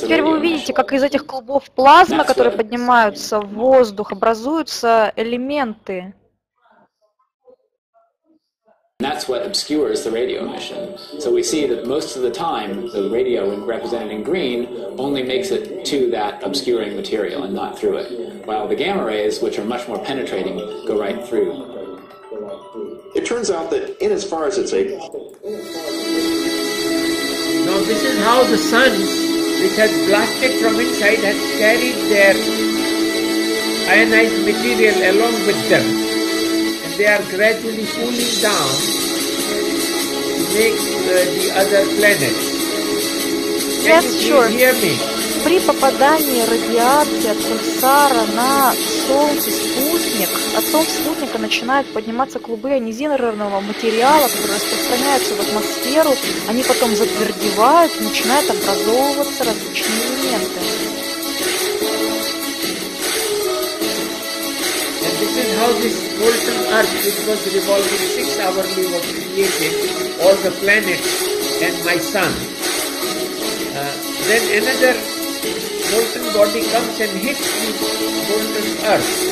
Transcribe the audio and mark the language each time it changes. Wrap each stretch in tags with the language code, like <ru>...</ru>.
<ru>теперь вы увидите, как из этих клубов плазмы, которые поднимаются в воздух, образуются элементы.</ru> <en>That's what obscures the radio emission. So we see that most of the time, the radio represented in green only makes it to that obscuring material and not through it. While the gamma rays, which are much more penetrating, go right through. It turns out that in as far as it's able... Now this is how the sun, which has blasted from inside, has carried their ionized material along with them. They are gradually cooling down to make the other planet. Can yes, you sure. Hear me?</en> <ru>При попадании радиации от пульсара на Солнце спутник, от Солнца спутника начинают подниматься клубы ионизированного материала, который распространяется в атмосферу, они потом затвердевают, начинают образовываться различные элементы.</ru> <en>This is how this molten Earth, which was revolving 6 hourly, was created, all the planets and my sun. Then another molten body comes and hits this molten Earth.</en>